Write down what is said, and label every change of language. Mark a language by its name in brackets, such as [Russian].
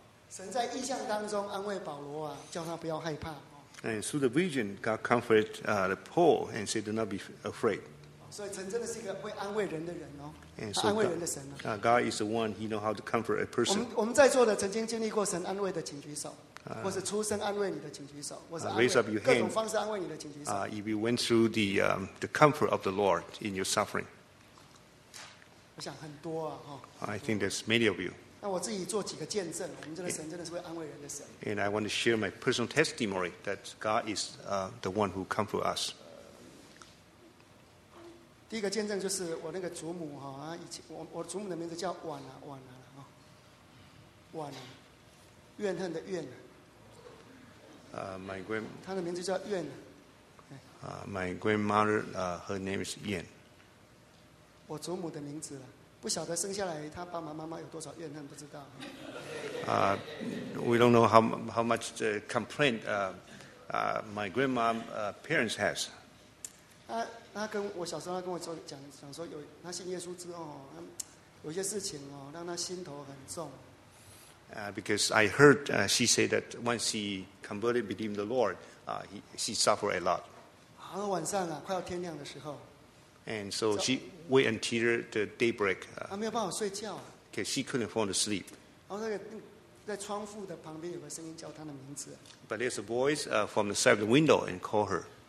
[Chinese] 神在异象当中安慰保罗啊，叫他不要害怕。 [English] And through the vision, God comforted the poor and said, "Do not be afraid." So, [Chinese] 神真的是一个会安慰人的人哦，安慰人的神啊。 [English] God is the one He knows how to comfort a person. [Chinese] 我们在座的曾经经历过神安慰的，请举手；或是出生安慰你的，请举手；或是 [English] raise up your hand, [Chinese] 各种方式安慰你的，请举手。 [English] If you went through the comfort of the Lord in your suffering, [Chinese] 我想很多啊，哈。 [English] I think there's many of you. [Chinese] 那我自己做几个见证，我们这个神真的是会安慰人的神。 [English] And I want to share my personal testimony that God is the one who comforts us. [Chinese] 第一个见证就是我那个祖母哈，以前我祖母的名字叫婉啊婉啊哈，婉啊，怨恨的怨。 [English] My grand. [Chinese] 她的名字叫怨。 [English] My grandmother, her name is Yan. [Chinese] 我祖母的名字了。不晓得生下来他爸爸妈妈有多少怨恨，不知道。 [English] We don't know how much complaint my grandma's parents has. [Chinese] 他跟我小时候跟我讲说有他信耶稣之后，有些事情哦，让他心头很重。 [English] Because I heard she say that once she converted believe the Lord, she suffered a lot. [Chinese] 然后晚上啊，快要天亮的时候。 [English] And so she wait until the daybreak. [Chinese] 她没有办法睡觉。 [English] She couldn't fall asleep. [Chinese] 然后在窗户的旁边有个声音叫她的名字。 [English] But there's a voice from the side of the window and call her.